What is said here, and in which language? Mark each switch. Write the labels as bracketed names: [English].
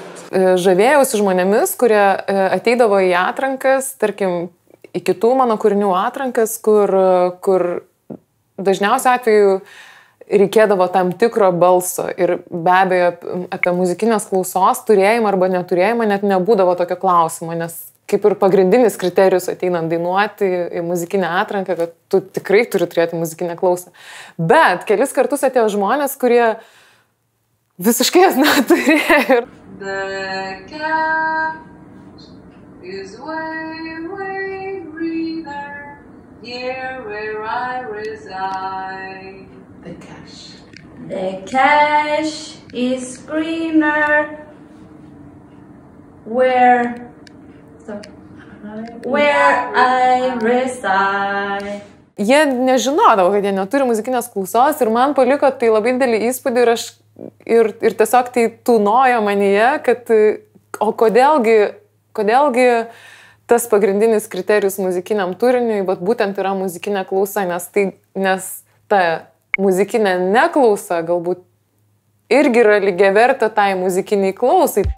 [Lithuanian] Žavėjausi žmonėmis, kurie ateidavo į atrankas, tarkim, į kitų mano kūrinių atrankas, kur dažniausiai atveju reikėdavo tam tikro balso ir be abejo apie muzikinės klausos turėjimą arba neturėjimą net nebūdavo tokio klausimo, nes kaip ir pagrindinis kriterijus ateinant dainuoti į muzikinę atranką, kad tu tikrai turi turėti muzikinę klausą. Bet kelis kartus atėjo žmonės, kurie visiškai jas neturėjo. [English] The gap is way, way greener here where I reside. The cash is greener where I reside. [Lithuanian] Jie nežinodavo, kad jie neturi muzikinės klausos ir man paliko tai labai didelį įspūdį ir aš Ir tiesiog tai tūnojo manyje, kad o kodėlgi tas pagrindinis kriterijus muzikiniam turiniui, bet būtent yra muzikinė klausa, nes ta muzikinė neklausa galbūt irgi yra lygiai verta tai muzikiniai klausai.